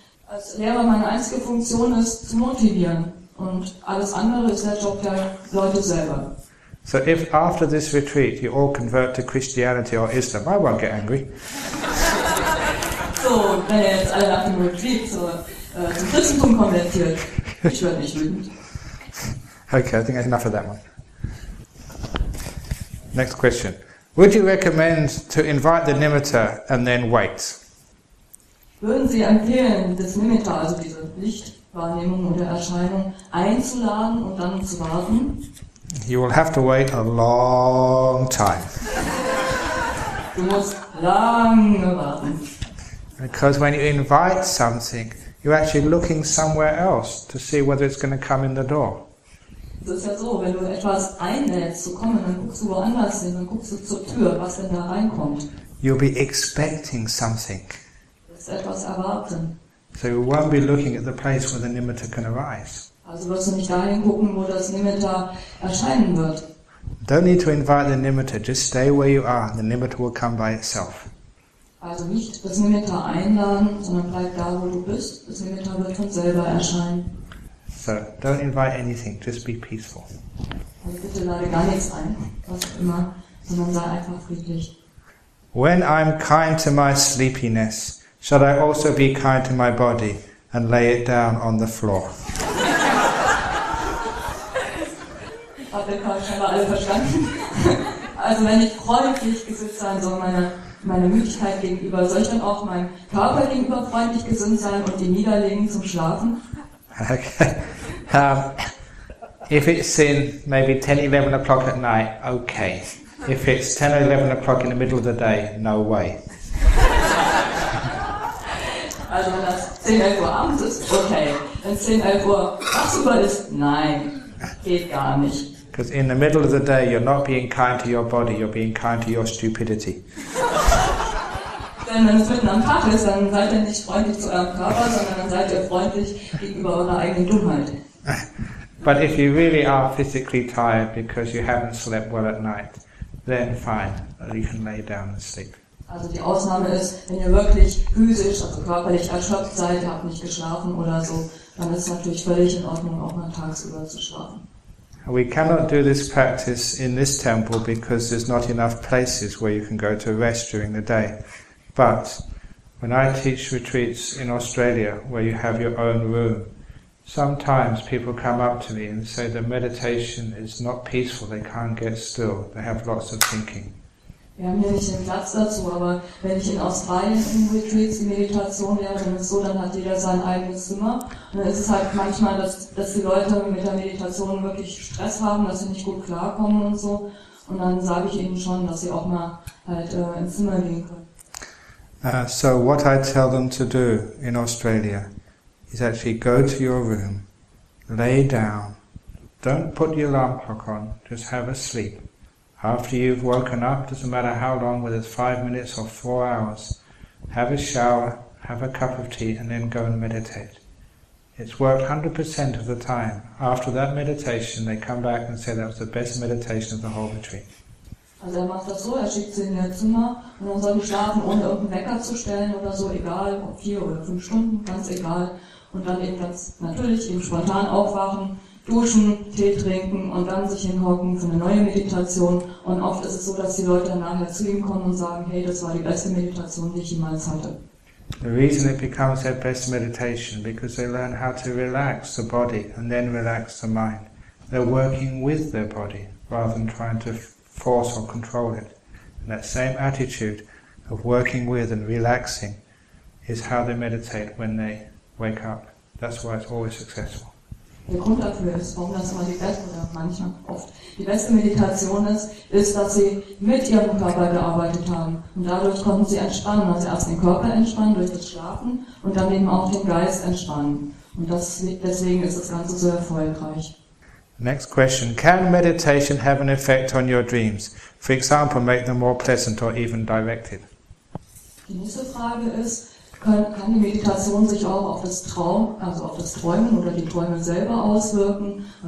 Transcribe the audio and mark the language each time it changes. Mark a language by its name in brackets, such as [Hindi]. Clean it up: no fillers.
[German] Als Lehrer, meine einzige Funktion ist zu motivieren. Und alles andere ist der Job der Leute selber. [English] So if after this retreat you all convert to Christianity or Islam, I won't get angry. [German] So, wenn ihr jetzt alle nach dem Retreat zum Christentum konvertiert, ich werde nicht wütend. [English] Okay, I think that's enough of that one. Next question. Would you recommend to invite the Nimitta and then wait? [German] Würden Sie empfehlen, das Nimitta, also diese Lichtwahrnehmung oder Erscheinung, einzuladen und dann zu warten? [English] You will have to wait a long time. [German] Du musst lange warten. [English] Because when you invite something, you're actually looking somewhere else to see whether it's going to come in the door. [German] Das ist ja so, wenn du etwas einlädst zu kommen, dann guckst du woanders hin, dann guckst du zur Tür, was denn da reinkommt. [English] You'll be expecting something. [German] Du wirst etwas erwarten. [English] So you won't be looking at the place where the Nimitta can arise. [German] Also wirst du nicht dahin gucken, wo das Nimitta erscheinen wird. [English] Don't need to invite the Nimitta, just stay where you are, the Nimitta will come by itself. [German] Also nicht das Nimitta einladen, sondern bleib da, wo du bist, das Nimitta wird von selber erscheinen. [English] So, don't invite anything, just be peaceful. When I'm kind to my sleepiness, shall I also be kind to my body and lay it down on the floor? [German] Hat der Karl schon mal alle verstanden? Also wenn ich freundlich gesinnt sein soll, meine Müdigkeit gegenüber, soll ich dann auch meinem Körper gegenüber freundlich gesinnt sein und ihn niederlegen zum Schlafen? [English] Okay. If it's in maybe 10, 11 o'clock at night, okay. If it's 10 or 11 o'clock in the middle of the day, no way. [German] Also wenn das 10, 11 Uhr abends ist, okay. Wenn es 10, 11 Uhr tagsüber ist, nein, geht gar nicht. [English] Because in the middle of the day, you're not being kind to your body, you're being kind to your stupidity. [German] Denn wenn es mitten am Tag ist, dann seid ihr nicht freundlich zu eurem Körper, sondern dann seid ihr freundlich gegenüber eurer eigenen Dummheit. [English] But if you really are physically tired because you haven't slept well at night, then fine, you can lay down and sleep. [German] Also die Ausnahme ist, wenn ihr wirklich physisch, also körperlich erschöpft seid, ihr habt nicht geschlafen oder so, dann ist es natürlich völlig in Ordnung, auch mal tagsüber zu schlafen. [English] We cannot do this practice in this temple because there's not enough places where you can go to rest during the day. But when I teach retreats in Australia where you have your own room, sometimes people come up to me and say the meditation is not peaceful, they can't get still, they have lots of thinking. [German] Wir haben hier nicht den Platz dazu, aber wenn ich in Australien in Retreats die Meditation lehre, dann ist so, dann hat jeder sein eigenes Zimmer. Und dann ist es halt manchmal, dass die Leute mit der Meditation wirklich Stress haben, dass sie nicht gut klarkommen und so. Und dann sage ich ihnen schon, dass sie auch mal halt ins Zimmer gehen können. [English] So what I tell them to do in Australia is actually go to your room, lay down, don't put your alarm clock on, just have a sleep. After you've woken up, doesn't matter how long, whether it's 5 minutes or 4 hours, have a shower, have a cup of tea, and then go and meditate. It's worked 100% of the time. After that meditation, they come back and say that was the best meditation of the whole retreat. [German] Also er macht das so, er schickt sie in ihr Zimmer und dann soll sie schlafen, ohne irgendeinen Wecker zu stellen oder so, egal, 4 oder 5 Stunden, ganz egal. Und dann eben ganz natürlich eben spontan aufwachen, duschen, Tee trinken und dann sich hinhocken für eine neue Meditation. Und oft ist es so, dass die Leute dann nachher zu ihm kommen und sagen, hey, das war die beste Meditation, die ich jemals hatte. [English] The reason it becomes their best meditation, because they learn how to relax the body and then relax the mind. They're working with their body, rather than trying to force or control it. And that same attitude of working with and relaxing is how they meditate when they wake up. That's why it's always successful. [German] Der Grund dafür ist, warum das immer die beste oder manchmal oft die beste Meditation ist, dass sie mit ihrem Körper gearbeitet haben. Und dadurch konnten sie entspannen, also erst den Körper entspannen durch das Schlafen und dann eben auch den Geist entspannen. Und deswegen ist das Ganze so erfolgreich. [English] Next question. Can meditation have an effect on your dreams? For example, make them more pleasant or even directed? [German] Die nächste Frage ist, kann die Meditation sich auch auf das Traum, also auf das Träumen oder die Träume selber auswirken?